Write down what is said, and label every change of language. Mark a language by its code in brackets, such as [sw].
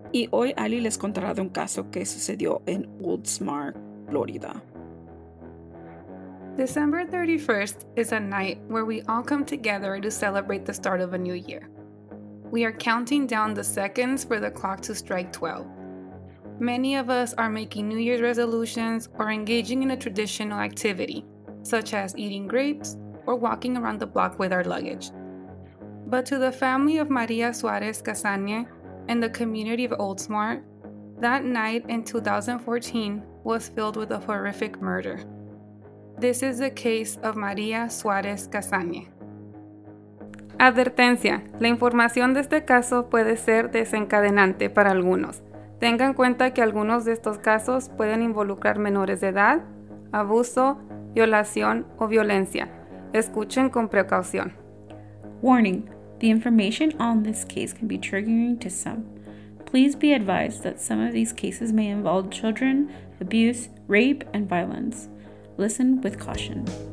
[es] Y hoy Ali les contará de un caso que sucedió en Oldsmar, Florida. [en] December 31st is a night where we all come together to celebrate the start of a new year. We are counting down the seconds for the clock to strike 12. Many of us are making New Year's resolutions or engaging in a traditional activity, such as eating grapes or walking around the block with our luggage. But to the family of Maria Suarez-Cassagne and the community of Oldsmar, that night in 2014 was filled with a horrific murder. This is the case of Maria Suarez-Cassagne. [es] Advertencia, la información de este caso puede ser desencadenante para algunos. Tenga en cuenta que algunos de estos casos pueden involucrar menores de edad, abuso, violación o violencia. Escuchen con precaución. [en] Warning. The information on this case can be triggering to some. Please be advised that some of these cases may involve children, abuse, rape, and violence. Listen with caution.